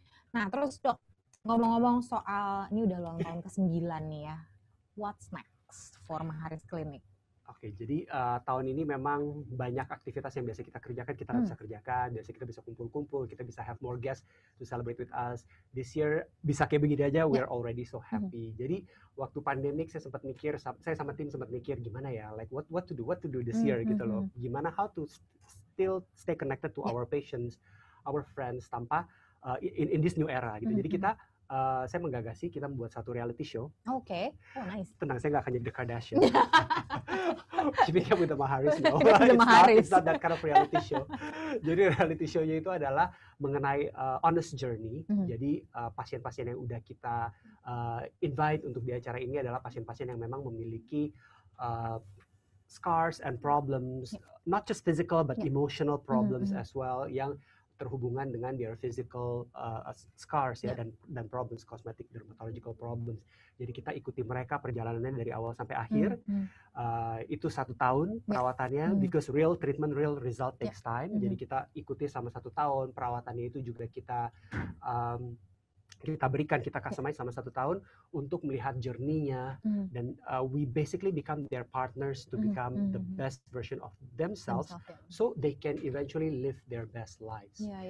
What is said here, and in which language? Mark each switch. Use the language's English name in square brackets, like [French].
[Indonesian] Nah, terus dok, ngomong-ngomong soal ini udah long tahun ke-9 nih ya. [English] What's next for Maharis Clinic? [Indonesian] Oke, jadi tahun ini memang banyak aktivitas yang biasa kita kerjakan, kita bisa kerjakan, biasa kita bisa kumpul-kumpul, kita bisa [English] have more guests to celebrate with us. This year, [Indonesian] bisa kayak begini aja, [English] we're already so happy. [Indonesian] Jadi, waktu pandemik saya sempat mikir, saya sama tim sempat mikir, gimana ya, [English] like what to do this year [Indonesian] gitu loh. Gimana [English] how to still stay connected to our patients, our friends, [Indonesian] tanpa [English] in this new era [Indonesian] gitu. Jadi kita... saya menggagasi kita membuat satu reality show. [English] Oke, okay. Oh nice. [Indonesian] Tenang, saya nggak akan jadi The Kardashian. [English] Keeping up with the Maharis, no. It's not that kind of reality show. [Indonesian] Jadi reality show-nya itu adalah mengenai [English] honest journey. [Indonesian] Jadi pasien-pasien yang udah kita invite untuk di acara ini adalah pasien-pasien yang memang memiliki [English] scars and problems, not just physical but emotional problems as well, [Indonesian] yang terhubungan dengan [English] their physical scars [Indonesian] ya, dan problems, [English] cosmetic dermatological problems. [Indonesian] Jadi kita ikuti mereka perjalanannya dari awal sampai akhir. Itu satu tahun perawatannya, [English] because real treatment, real result takes time. [Indonesian] Jadi kita ikuti sama satu tahun, perawatannya itu juga kita kita berikan, kita customize sama satu tahun untuk melihat journey-nya. Dan [English] we basically become their partners to become the best version of themselves, so they can eventually live their best lives.